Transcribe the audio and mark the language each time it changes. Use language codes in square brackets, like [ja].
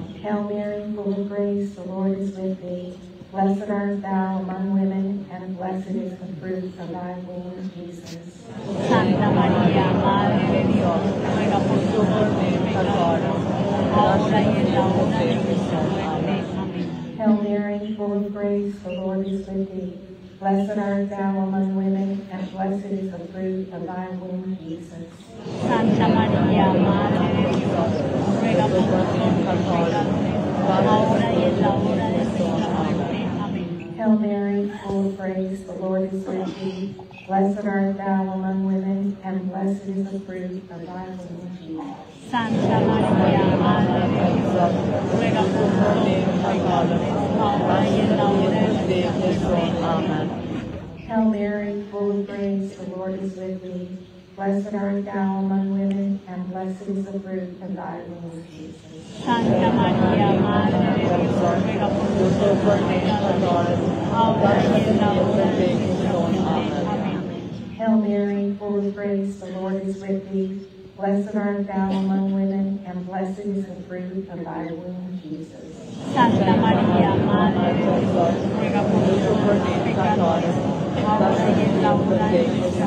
[en] Hail Mary, full of grace, the Lord is with thee. Blessed art thou among women, and blessed is the fruit of thy womb, Jesus. [es] Santa Maria, Madre de Dios, ruega por tu corte, pecador, ahora y en la hora de nuestra muerte. Amen. [en] Hail Mary, full of grace, the Lord is with thee. Blessed art thou among women, and blessed is the fruit of thy womb, Jesus. [es] Santa Maria, Madre de Dios, ruega por nosotros pecadores, ahora y en la hora de nuestra muerte. Amen. [en] Hail Mary, full of grace, the Lord is with thee. Blessed art thou among women, and blessed is the fruit of thy womb, Jesus. [es] Santa Maria, Madre de Dios, ruega por nosotros pecadores, Amen. [en] Hail Mary, full of grace, the Lord is with thee. Blessed art thou among women, and blessed is the fruit of thy womb, Jesus. Santa Maria, Mother of God, Amen. Hail Mary, full of grace, the Lord is with thee. Blessed art thou among women, and blessed is the fruit of thy womb, Jesus. [es] Santa Maria, [en] Mother of God, [es] ruega por nosotros pecadores, ahora y en la hora de nuestra